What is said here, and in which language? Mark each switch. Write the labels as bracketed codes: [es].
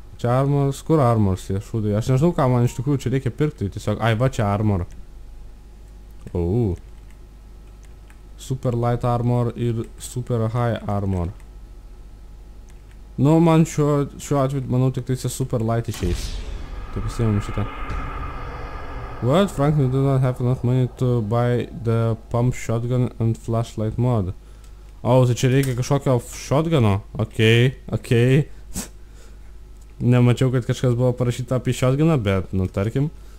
[lt] Čia armors, kur armors jie, šūdai? Aš nežinau, ką man iš tikrųjų čia reikia pirkti. Tiesiog, ai, va, čia armor. Ouu. Super light armor ir super high armor. Nu, man šiuo atveju, manau, tik tai super light išeis. Tai pasiėmėm šitą. What? [en] Franklin did not have enough money to buy the pump shotgun and flashlight mod. [lt] O, oh, tai čia reikia kažkokio shotguno? Okay. Nemačiau, kad kažkas buvo parašyta apie shotguną, bet, nu, tarkim.